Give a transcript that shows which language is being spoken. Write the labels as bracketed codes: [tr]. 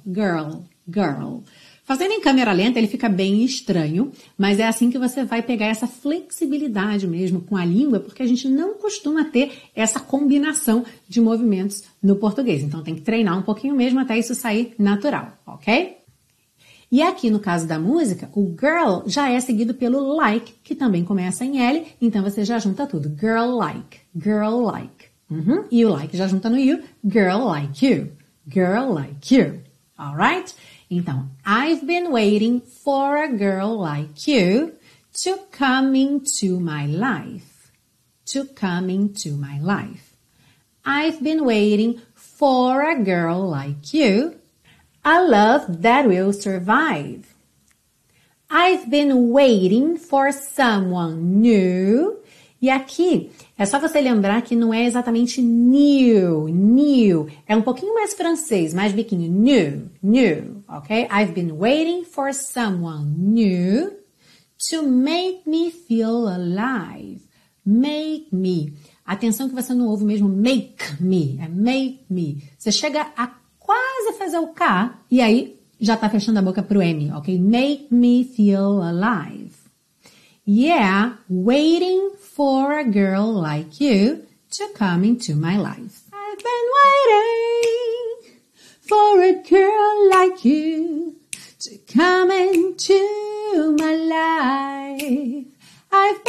[pt] Girl, girl. Fazendo em câmera lenta, ele fica bem estranho, mas é assim que você vai pegar essa flexibilidade mesmo com a língua, porque a gente não costuma ter essa combinação de movimentos no português. Então, tem que treinar um pouquinho mesmo até isso sair natural, ok? E aqui no caso da música, o girl já é seguido pelo like, que também começa em L, então você já junta tudo. [en] Girl like, girl like. Uhum. E o like já junta no you, girl like you, girl like you. Alright? Então, I've been waiting for a girl like you to come into my life. To come into my life. I've been waiting for a girl like you. A love that will survive. I've been waiting for someone new. [pt] E aqui, é só você lembrar que não é exatamente new, new. É um pouquinho mais francês, mais biquinho. [en] New, new, ok? I've been waiting for someone new to make me feel alive. Make me. [pt] Atenção que você não ouve mesmo make me. É make me. Você chega a quase fazer o K e aí já tá fechando a boca pro M, ok? [en] Make me feel alive. Yeah, waiting for a girl like you to come into my life. I've been waiting for a girl like you to come into my life.